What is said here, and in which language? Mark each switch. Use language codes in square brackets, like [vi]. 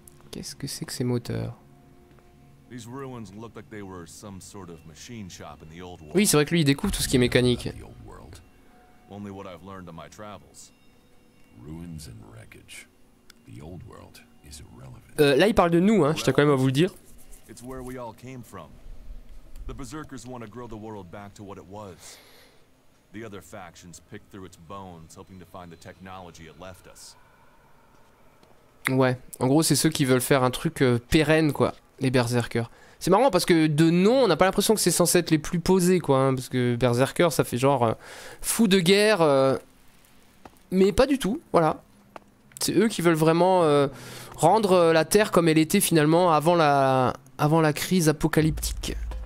[fr] Qu'est-ce que c'est que ces moteurs? Oui, c'est vrai que lui il découvre tout ce qui est mécanique. [en] Only what I've learned on my travels. Ruins and wreckage. The old world is irrelevant. [fr] Là il parle de nous hein, je tiens quand même à vous le dire. [en] It's where we all came from. The berserkers want to grow the world back to what it was. The other factions pick through its bones hoping to find the technology it left us. [fr] Ouais, en gros c'est ceux qui veulent faire un truc pérenne quoi, les berserkers. C'est marrant parce que de nom, on n'a pas l'impression que c'est censé être les plus posés quoi, hein, parce que Berserker ça fait genre fou de guerre, mais pas du tout, voilà. C'est eux qui veulent vraiment rendre la Terre comme elle était finalement avant la crise apocalyptique.